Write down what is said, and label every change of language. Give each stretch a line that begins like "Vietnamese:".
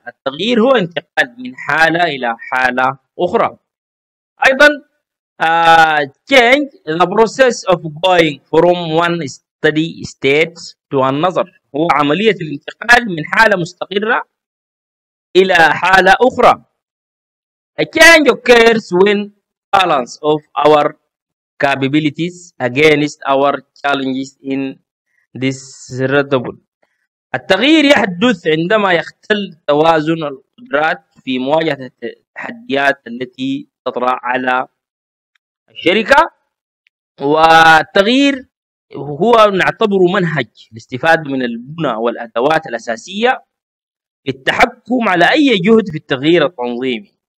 Arabic: التغيير هو انتقال من حالة إلى حالة أخرى. أيضا
English: change the process of going from one steady state to another.
Arabic: هو عملية الانتقال من حالة مستقرة إلى حالة أخرى.
English: A change occurs when balance of our capabilities against our challenges in disruptible.
Arabic: التغيير يحدث عندما يختل توازن القدرات في مواجهة التحديات التي تطرأ على الشركة. والتغيير هو نعتبره منهج الاستفادة من البنى والأدوات الأساسية للتحكم على أي جهد في التغيير التنظيمي.